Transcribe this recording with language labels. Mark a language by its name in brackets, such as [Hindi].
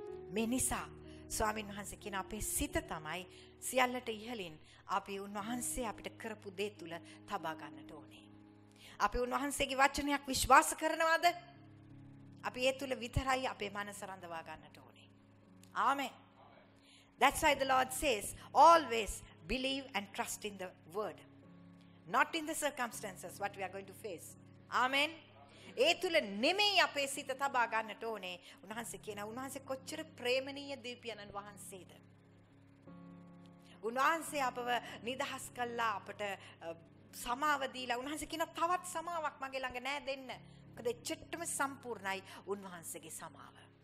[Sinhala] මේ නිසා ස්වාමීන් වහන්සේ කියන අපේ සිත තමයි සියල්ලට ඉහලින් අපි උන්වහන්සේ අපිට කරපු දේ තුල තබා ගන්නට ඕනේ. අපි උන්වහන්සේගේ වචනයක් විශ්වාස කරනවාද? අපි ඒ තුල විතරයි අපේ මනස රඳවා ගන්නට ඕනේ. ආමෙන්. [English] That's why the Lord says always believe and trust in the word, not in the circumstances what we are going to face. [Sinhala] ආමෙන්. ඒ තුල නෙමෙයි අපේ සිත තබා ගන්නට ඕනේ. උන්වහන්සේ කියන උන්වහන්සේ කොච්චර ප්‍රේමණීය දීපියනන් වහන්සේද. උන්වහන්සේ අපව නිදහස් කළා, අපට සමාව දීලා. උන්වහන්සේ කියන තවත් සමාවක් මගේ ළඟ නෑ දෙන්න. මොකද එච්චරම සම්පූර්ණයි උන්වහන්සේගේ සමාව.